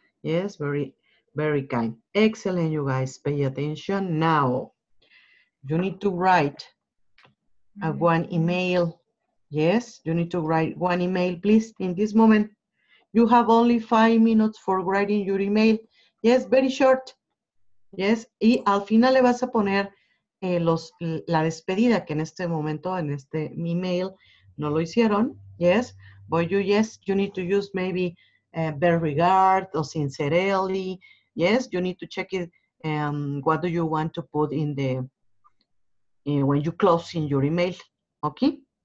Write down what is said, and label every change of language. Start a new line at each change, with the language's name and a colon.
English: Yes, very, very kind. Excellent, you guys. Pay attention now. You need to write. I want email. Yes, you need to write one email, please, in this moment. You have only 5 minutes for writing your email. Yes, very short.
Spanish: Yes, y al final le vas a poner la despedida, que en este momento, en este email, no lo hicieron.
English: Yes, but you need to use maybe bear regard or sincerely. Yes, you need to check it. What do you want to put in the, when you close in your email, okay?